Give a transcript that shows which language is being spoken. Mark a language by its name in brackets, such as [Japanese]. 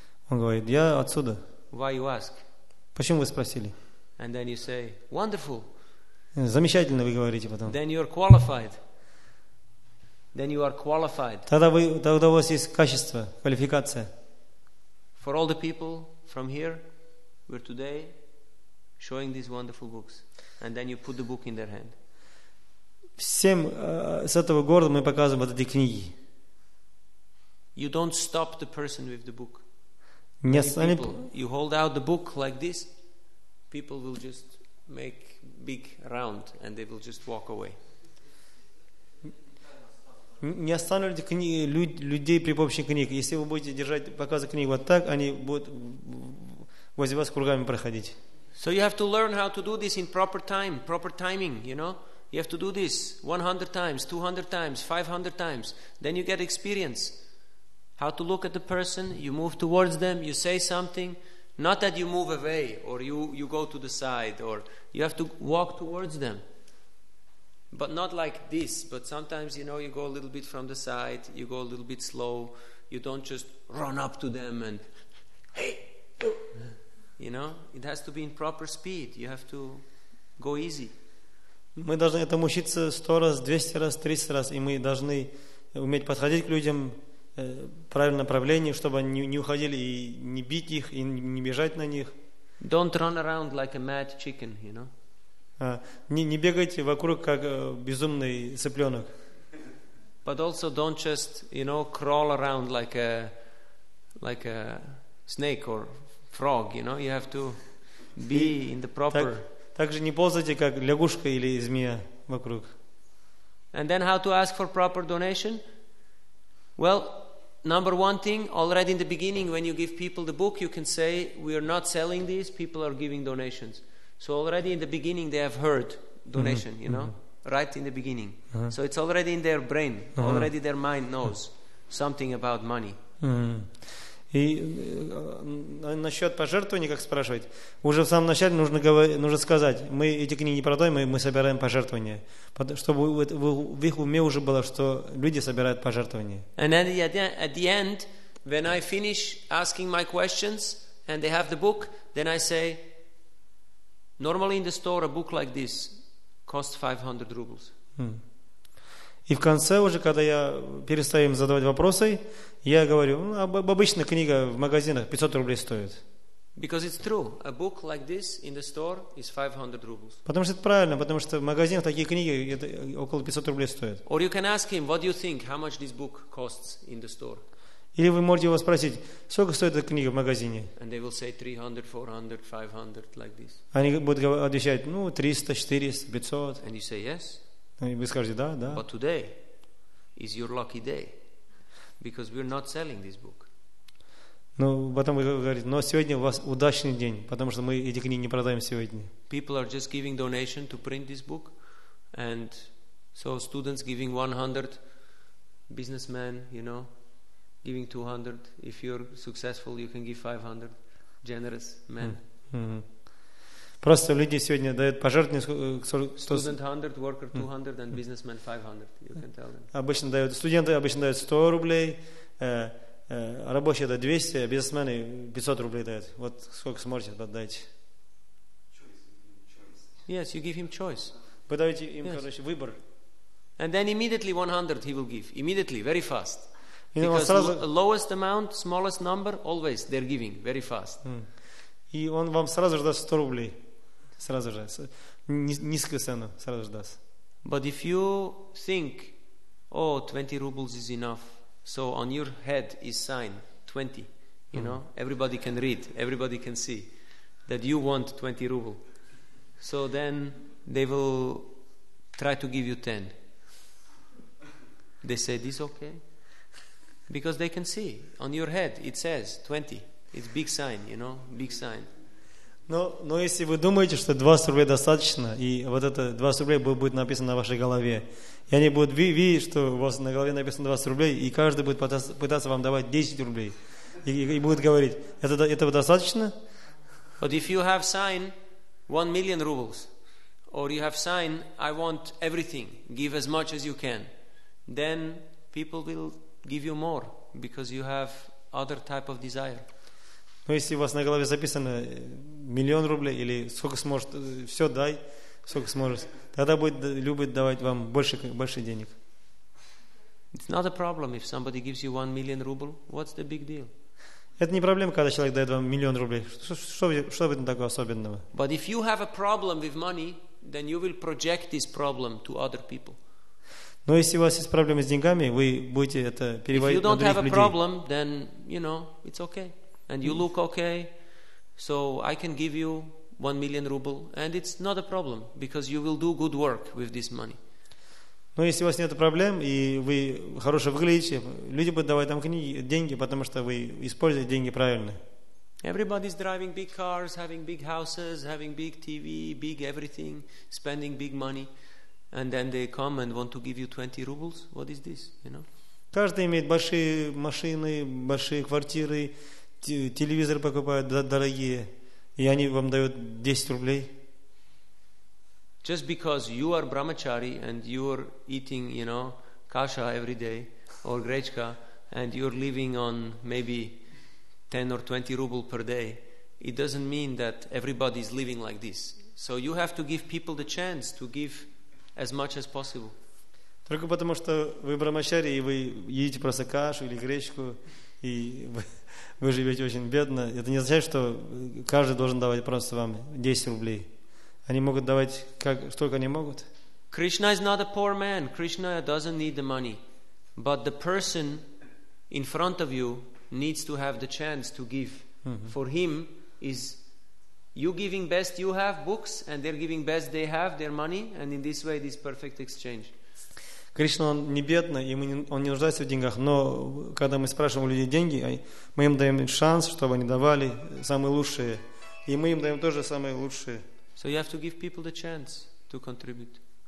[Russian] Он говорит, я отсюда. [English] Why you ask? [Russian] Почему вы спросили? [English] And then you say, wonderful. [Russian] Замечательно, вы говорите потом. [English] Then you're qualified. Then you are qualified. [Russian] Тогда у вас есть качество, квалификация. [English] For all the people from here, we're today showing these wonderful books, and then you put the book in their hand. [Russian] Всем с этого города мы показываем вот эти книги. [English] You don't stop the person with the book. Yes, people, you hold out the book like this, people will just make big round and they will just walk away. [Russian] Не останавливайте людей при помощи книг. Если вы будете держать показы книг вот так, они будут возле вас кругами проходить. [English] So you have to learn how to do this in proper time, proper timing, you know. You have to do this 100 times, 200 times, 500 times. Then you get experience. How to look at the person, you move towards them, you say something. Not that you move away or you go to the side, or you have to walk towards them. But not like this. But sometimes, you know, you go a little bit from the side, you go a little bit slow. You don't just run up to them and, hey, you know, it has to be in proper speed. You have to go easy. [Russian] Мы должны этому учиться 100 раз, 200 раз, 300 раз, и мы должны уметь подходить к людям правильно направлении, чтобы они не уходили, и не бить их, и не бежать на них. [English] Don't run around like a mad chicken, you know? [Russian] Не бегайте вокруг как безумный цыпленок. [English] But also don't just, you know, crawl around like a snake or frog, you know? You have to be in the proper... [Russian] Также не ползайте, как лягушка или змея вокруг. [English] And then how to ask for proper donation? Well, number one thing, already in the beginning, when you give people the book, you can say, we are not selling these, people are giving donations. So already in the beginning, they have heard donation, mm-hmm. you know, mm-hmm. right in the beginning. Uh-huh. So it's already in their brain, uh-huh. already their mind knows uh-huh. something about money. Mm-hmm. [Russian] И насчет пожертвований, как спрашивать, уже в самом начале нужно сказать, мы эти книги не продаем, мы собираем пожертвования, чтобы в их уме уже было, что люди собирают пожертвования. [English] And then at the end, when I finish asking my questions and they have the book, then I say, normally in the store a book like this costs 500 rubles. [Russian] И в конце уже, когда я перестаю им задавать вопросы, я говорю, обычная книга в магазинах 500 рублей стоит. [English] Because it's true. A book like this in the store is 500 rubles. [Russian] Потому что это правильно, потому что в магазинах такие книги это около 500 рублей стоят. [English] Or you can ask him, what do you think, how much this book costs in the store? [Russian] Или вы можете его спросить, сколько стоит эта книга в магазине? [English] And they will say 300, 400, 500, like this. [Russian] Они будут отвечать, ну, 300, 400, 500. [English] And you say yes. [Russian] И вы скажете, да, да. [English] But today is your lucky day. Because we're not selling this book. [Russian] Ну, потом вы говорите, но сегодня у вас удачный день, потому что мы эти книги не продаем сегодня. [English] People are just giving donation to print this book, and so students giving 100, businessmen, you know, giving 200. If you're successful, you can give 500. Generous men. [Russian] Просто люди сегодня дают пожертвования. [English] Student 100, worker 200, and businessman 500. You can tell them. [Russian] Обычно дают студенты обычно дают 100 рублей, рабочие дают 200, бизнесмены 500 рублей дают. Вот сколько сможете отдать? [English] Yes, you give him choice. [Russian] Вы даете им, [English] yes. [Russian] короче, выбор. [English] And then immediately 100 he will give. Immediately, very fast. Because [Russian] сразу... [English] lowest amount, smallest number, always they're giving very fast. [Russian] И он вам сразу же даст 100 рублей. Сразу же. Низкую цену сразу же даст. [English] But if you think, oh, 20 rubles is enough, so on your head is sign 20, you know, everybody can read, everybody can see that you want 20 rubles. So then they will try to give you 10. They say, this okay? Because they can see. On your head it says 20. It's big sign, you know, big sign. [Russian] Но если вы думаете, что 20 рублей достаточно, и вот это 20 рублей будет написано на вашей голове, и они будут видеть, что у вас на голове написано 20 рублей, и каждый будет пытаться вам давать 10 рублей, и будет говорить, этого достаточно? [English] But if you have sign 1 million rubles, or you have sign, I want everything, give as much as you can, then people will give you more, because you have other type of desire. [Russian] Но если у вас на голове записано 1 000 000 рублей или сколько сможет, все дай, сколько сможет, тогда будет любить давать вам больше денег. [English] It's not a problem if somebody gives you 1 million ruble. What's the big deal? [Russian] Это не проблема, когда человек дает вам 1 000 000 рублей. Что в этом такого особенного? [English] But if you have a problem with money, then you will project this problem to other people. [Russian] Но если у вас есть проблемы с деньгами, вы будете это переводить на других людей. [English] If you don't have a problem, then you know it's okay. And you look okay, so I can give you 1 million ruble, and it's not a problem because you will do good work with this money. [Russian] Но если у вас нет проблем и вы хорошо выглядите, люди будут давать вам деньги, потому что вы используете деньги правильно. [English] Everybody's driving big cars, having big houses, having big TV, big everything, spending big money, and then they come and want to give you 20 rubles. What is this, you know? [Russian] Каждый имеет большие машины, большие квартиры, телевизор покупают дорогие, и они вам дают 10 рублей. [English] Just because you are brahmachari and you are eating, you know, kasha every day or grechka, and you're living on maybe 10 or 20 ruble per day, it doesn't mean that everybody is living like this. So you have to give people the chance to give as much as possible. [Russian] Только потому что вы брамачари и вы едите просто кашу или гречку и вы живете очень бедно, это не означает, что каждый должен давать просто вам 10 рублей. Они могут давать как столько они могут. [English] Krishna is not a poor man. Krishna doesn't need the money, but the person in front of you needs to have the chance to give. For him is you giving best you have, books, and they're giving best they have, their money, and in this way, this perfect exchange. [Russian] Кришна, он не бедный, и он не нуждается в деньгах, но когда мы спрашиваем у людей деньги, мы им даем шанс, чтобы они давали самые лучшие, и мы им даем тоже самые лучшие. [English] So you have to give people the chance to contribute.